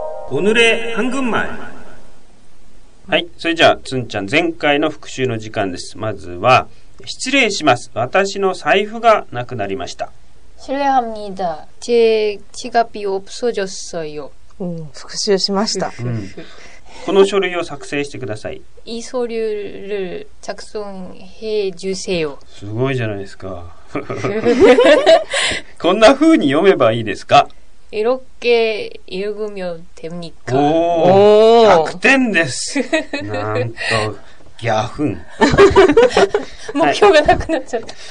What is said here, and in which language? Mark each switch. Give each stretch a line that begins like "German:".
Japanese: おぬれ半軍前。はい、それじゃあつんちゃん、前回の復習の時間です。まずは、失礼します、私の財布がなくなりました。
Korean: 失礼합니다제지갑이없어졌어요。
Japanese: 復習しました、うん、この書類を作成してください。
Korean: 이서류를작성해주세요。
Japanese: すごいじゃないですかこんな風に読めばいいですか。
Korean: 이렇게읽으면됩니까。
Japanese: おお、100点ですなんとギャフン目標がなくなっちゃった。